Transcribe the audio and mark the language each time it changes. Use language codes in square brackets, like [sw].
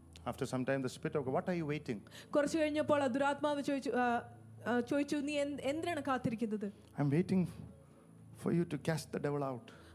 [en] After some time the spirit of God, what are you waiting? [ml] കുറച്ചു കഴിഞ്ഞപ്പോൾ ആ ദുരാത്മാവ് ചോദിച്ചു, നീ എന്തിനാണ് കാത്തിരിക്കുന്നത്? [en] I'm waiting for you to cast the devil out.